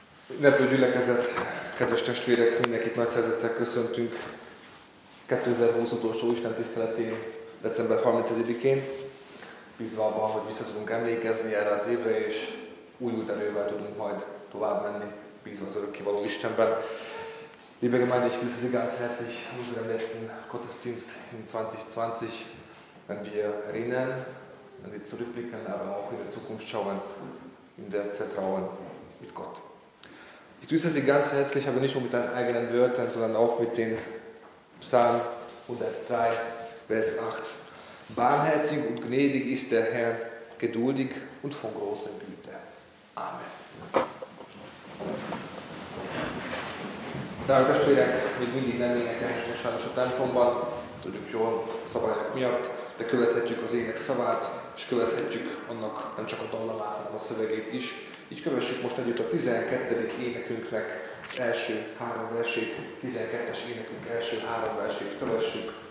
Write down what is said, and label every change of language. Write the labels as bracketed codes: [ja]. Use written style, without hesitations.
[hu] Ünneplő gyülekezet, kedves testvérek, mindenkit nagy szeretettel köszöntünk 2020 utolsó Isten tiszteletén, december 31-én, bízva abban, hogy vissza tudunk emlékezni erre az évre, és új út erővel tudunk majd tovább menni, bízva az örökkévaló Istenben. [de] Liebe Gemeinde, ich grüße Sie ganz herzlich an unserem letzten Gottesdienst in 2020, wenn wir erinnern, wenn wir zurückblicken, aber auch in der Zukunft schauen, in der Vertrauen mit Gott. Ich grüße Sie ganz herzlich, aber nicht nur mit deinen eigenen Wörtern, sondern auch mit den Psalm 103, Vers 8. Barmherzig und gnädig ist der Herr, geduldig und von großer Güte. Amen. [hu] Drága testvérek, még mindig nem énekelhetünk sajnos a templomban, tudjuk jól a szabályok miatt, de követhetjük az ének szavát, és követhetjük annak nem csak a dallamát, hanem a szövegét is. Így kövessük most együtt a 12. énekünknek az első három versét, 12-es énekünk első három versét kövessük.